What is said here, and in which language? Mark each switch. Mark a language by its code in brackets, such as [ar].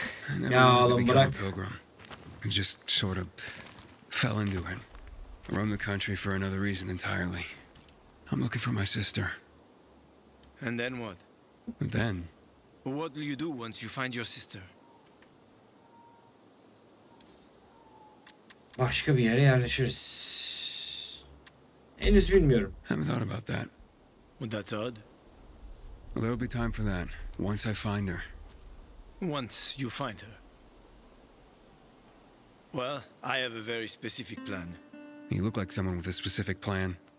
[en] I never wanted to become a pilgrim. I just sort of fell into it. I roamed the country for another reason entirely. I'm looking for my sister. And then what? Then? What will you do once you find your sister? [tr] Başka bir yere yerleşiriz. Henüz bilmiyorum. [en] I haven't thought about that. Well, that's odd. Well, there'll be time for that once I find her. Once you find her. Well, I have a very specific plan. You look like someone with a specific plan.